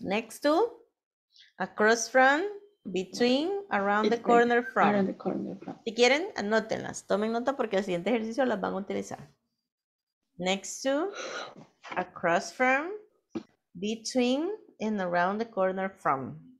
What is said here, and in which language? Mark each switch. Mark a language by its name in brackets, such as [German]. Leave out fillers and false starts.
[English] Next to, across from, between, around the corner from. Around the corner from. [Spanish] Si quieren, anótenlas. Tomen nota porque el siguiente ejercicio las van a utilizar. [English] Next to, across from, between, and around the corner from.